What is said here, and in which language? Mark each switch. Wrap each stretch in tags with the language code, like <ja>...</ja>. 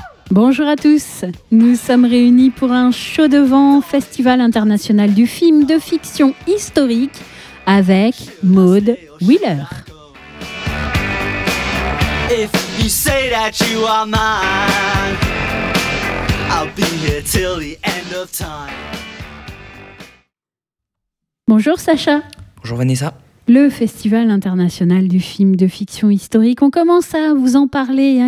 <fr>Bonjour à tous, nous sommes réunis pour un chaud devant Festival International du Film de Fiction Historique avec Maud Wheeler.</fr> <en>If you say that you are mine, I'll be here till the end of time.</en> <fr>Bonjour Sacha. Bonjour Vanessa. Le Festival International du Film de Fiction Historique, on commence à vous en parler, hein.</fr>